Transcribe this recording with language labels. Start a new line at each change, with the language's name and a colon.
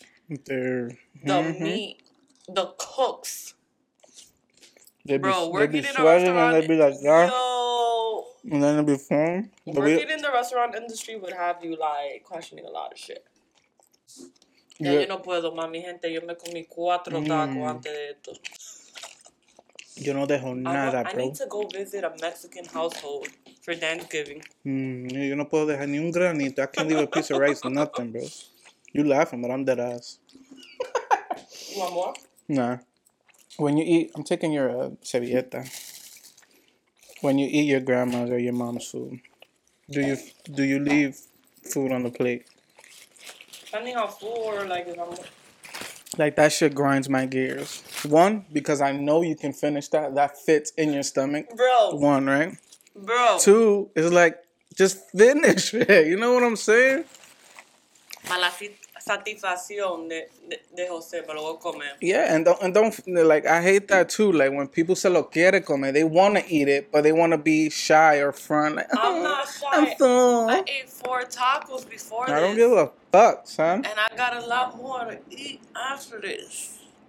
English: working in the restaurant industry would have you like questioning a lot of shit.
Spanish: Yeah. Yo no puedo, mami gente. Yo me comí cuatro tacos antes de esto. Yo no dejo nada, bro.
English: I need to go visit a Mexican household for Thanksgiving.
Spanish: Yo no puedo dejar ni un granito.
English: I can't leave a piece of rice, nothing, bro. You laughing, but I'm dead ass. You want more? Nah. When you eat, I'm taking your servilleta. When you eat your grandma's or your mom's food, do you leave food on the plate? Depending on food, like if I'm. Like, that shit grinds my gears. One, because I know you can finish that. That fits in your stomach. Bro. One, right? Bro. Two, it's like, just finish it. You know what I'm saying?
Spanish: Mala satisfacción de José, me lo voy a comer.
English: Yeah, and don't, like, I hate that too. Like, when people
Spanish: se lo quiere comer,
English: they want to eat it, but they want to be shy or front. Like, I'm not shy. I'm thumb. I ate 4 tacos before I I don't give a fuck, son. And I got a lot more to eat after this.